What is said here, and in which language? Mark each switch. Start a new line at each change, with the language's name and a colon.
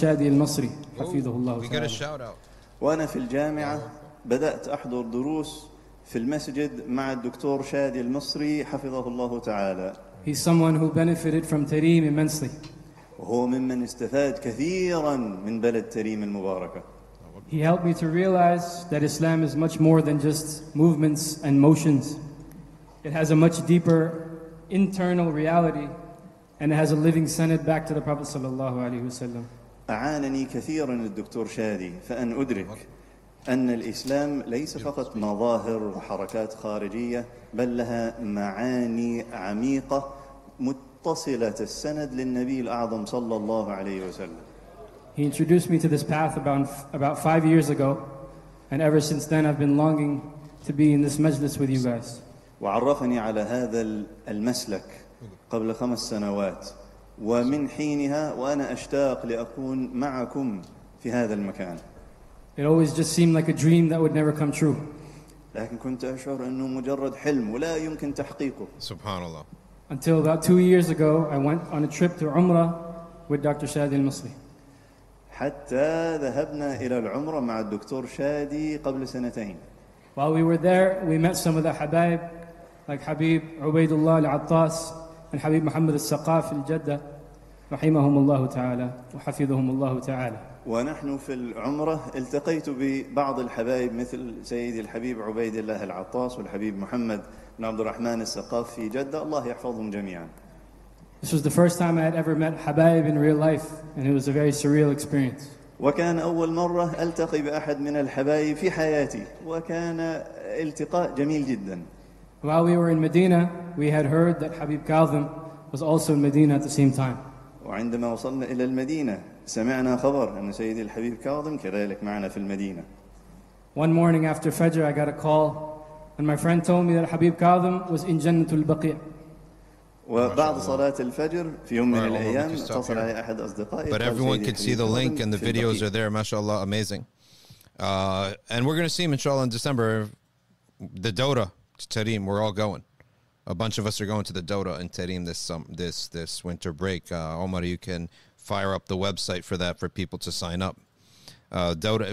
English: Shadi al-Masri,
Arabic: حفظه الله تعالى.
English: We got a shout out.
Arabic: وأنا في الجامعة بدأت أحضر دروس في المسجد مع الدكتور شادي المصري حفظه الله تعالى.
English: He's someone who benefited from Tarim immensely.
Arabic: وهو ممن استفاد كثيرا من بلد تريم المباركة.
English: He helped me to realize that Islam is much more than just movements and motions. It has a much deeper internal reality and it has a living sanad back to the Prophet
Arabic: صلى الله عليه وسلم. أعانني كثيرا الدكتور شادي فأن أدرك أن الإسلام ليس فقط مظاهر وحركات خارجية بل لها معاني عميقة متصلة السند للنبي الأعظم صلى الله عليه وسلم.
English: He introduced me to this path about 5 years ago, and ever since then I've been longing to be in this majlis with you guys.
Arabic: وعرفني على هذا المسلك قبل 5 سنوات، ومن حينها وأنا أشتاق لأكون معكم في هذا المكان.
English: It always just seemed like a dream that would never come true.
Arabic: لكن كنت أشعر أنه مجرد حلم ولا يمكن تحقيقه. سبحان الله.
English: Until about 2 years ago, I went on a trip to Umrah with Dr. Shadi al-Masri.
Arabic: حتى ذهبنا إلى العمرة مع الدكتور شادي قبل سنتين.
English: While we were there, we met some of the Habaib, like Habib Ubaidullah al-Attas and Habib Muhammad al-Saqaf al-Jadda,
Arabic: رحمهم الله تعالى وحفظهم الله تعالى. ونحن في العمرة التقيت ببعض الحبايب مثل سيد الحبيب عبيد الله العطاس والحبيب محمد بن عبد الرحمن السقاف في جدة الله يحفظهم جميعا.
English: This was the first time I had ever met Habaib in real life and it was a very surreal experience.
Arabic: وكان أول مرة ألتقي بأحد من الحبايب في حياتي وكان التقاء جميل جدا.
English: While we were in Medina, we had heard that Habib Kazim was also in Medina at the same time.
Arabic: وعندما وصلنا إلى المدينة سمعنا خبر أن سيد الحبيب كاظم كذلك معنا في المدينة.
English: One morning after Fajr, I got a call, and my friend told me that Habib Kaظم was in Jannatul Baqi'.
Arabic: وبعد صلاة الفجر في يوم من الأيام اتصل علي أحد أصدقائي.
English: But everyone can see the link and the videos are there. MashaAllah, amazing. And we're going to see him inshallah in December. The Dota to Tarim, we're all going. A bunch of us are going to the Dota in Tarim this winter break. Omar, you can fire up the website for that for people to sign up. Dota.